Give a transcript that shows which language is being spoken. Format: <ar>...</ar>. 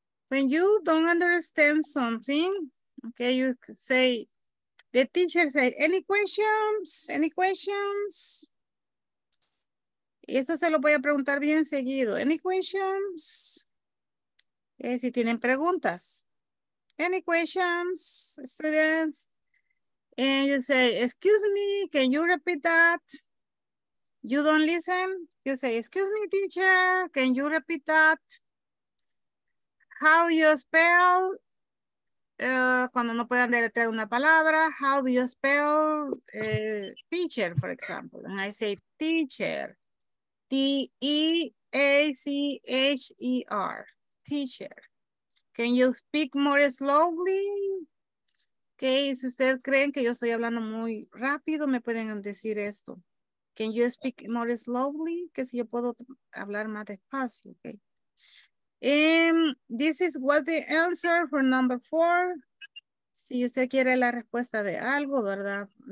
<en>When you don't understand something, okay, you say, the teacher say, any questions? Any questions?</en> <es>Y esto se lo voy a preguntar bien seguido.</es> <en>Any questions?</en> <es>Si tienen preguntas.</es> <en>Any questions, students? And you say, excuse me, can you repeat that? You don't listen. You say, excuse me, teacher, can you repeat that? How you spell,</en> <es>cuando no puedan deletrear una palabra,</es> <en>how do you spell teacher, for example? And I say teacher, T-E-A-C-H-E-R, teacher. Can you speak more slowly?</en> <es>Okay, si ustedes creen que yo estoy hablando muy rápido, me pueden decir esto.</es> <en>Can you speak more slowly?</en> <es>Que si yo puedo hablar más despacio, okay.</es> <en>This is what the answer for number four.</en> <es>Si usted quiere la respuesta de algo, ¿verdad?</es>